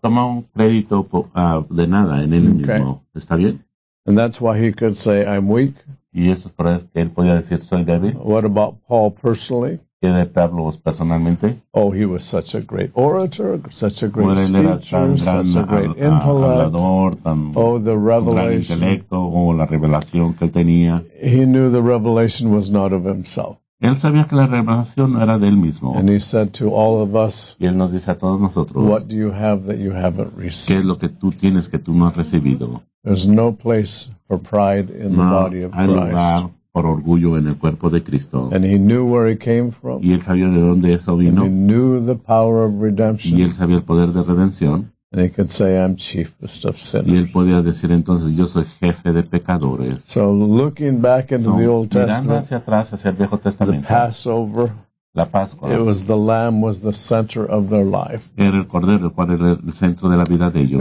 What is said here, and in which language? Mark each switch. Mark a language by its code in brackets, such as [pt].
[es] Él no tomó un crédito de nada en él mismo. Okay. ¿Está bien? [en] And that's why he could say, I'm weak. [es] Y Y eso es por eso que él podía decir, soy débil. [en] What about Paul personally? [es] ¿Qué de Pablo personalmente? [en] Oh, he was such a great orator, such a great speaker, such a great intellect. Oh, the revelation. [es] O la revelación que tenía. [en] He knew the revelation was not of himself. [es] Él sabía que la revelación era de él mismo. [en] And he said to all of us, [es] y él nos dice a todos nosotros, [en] what do you have that you haven't received? [es] ¿Qué es lo que tú tienes que tú no has recibido? [en] There's no place for pride in the body of Christ. [es] Por orgullo en el cuerpo de Cristo. [en] And he knew where he came from. [es] Y él sabía de dónde eso vino. [en] And he knew the power of redemption. [es] Y él sabía el poder de redención. [en] And he could say, I'm chiefest of sinners. [es] Y él podía decir entonces, yo soy jefe de pecadores. [en] So looking back into the Old Testament, [es] mirando hacia atrás, hacia el Viejo Testamento, [en] the Passover, [es] la Pascua, [en] it was the lamb was the center of their life. [es] Era el cordero el cual era el centro de la vida de ellos.